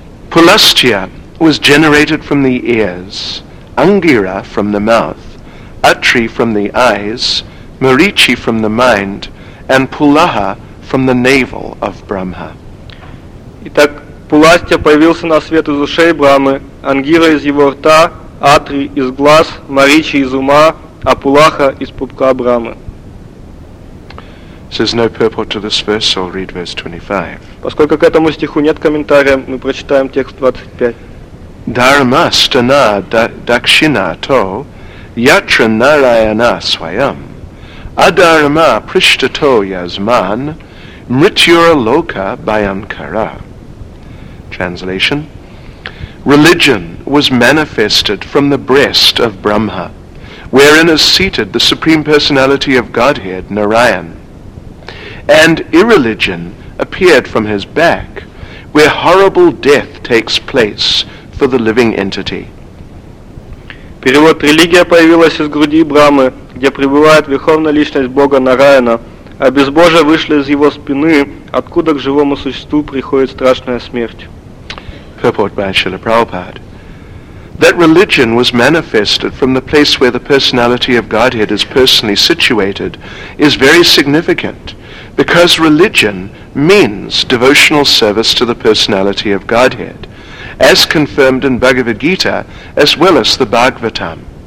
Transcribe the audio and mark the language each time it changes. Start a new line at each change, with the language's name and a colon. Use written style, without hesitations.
English: Коластья was generated from the ears, ангира from the mouth, атри from the eyes, Marichi from the mind, and Pulaha from the navel of Brahma.
Russian: Итак, Пуластья появился на свет из ушей Брамы, Ангира из его рта, Атри из глаз, Маричи из ума, а Пулаха из пупка Брамы.
English: There's no purport to this verse, so I'll read verse 25.
Russian: Поскольку к этому стиху нет комментария, мы прочитаем текст 25.
Sanskrit: Дармастана дакшина то ятра нараяна свайам. Adharma prishtato yasman mrityura loka bhayankara. Translation.
English: Religion was manifested from the breast of Brahma, wherein is seated the Supreme Personality of Godhead, Narayan. And irreligion appeared from his back, where horrible death takes place for the living entity.
Russian: Перевод. Религия появилась из груди Брамы, где пребывает верховная личность Бога Нараяна, а безбожие вышли из его спины, откуда к живому существу приходит страшная смерть.
English: Purport by Srila Prabhupada. That religion was manifested from the place where the personality of Godhead is personally situated is very significant, because religion means devotional service to the personality of Godhead, as confirmed in Bhagavad Gita as well as the Bhagavatam.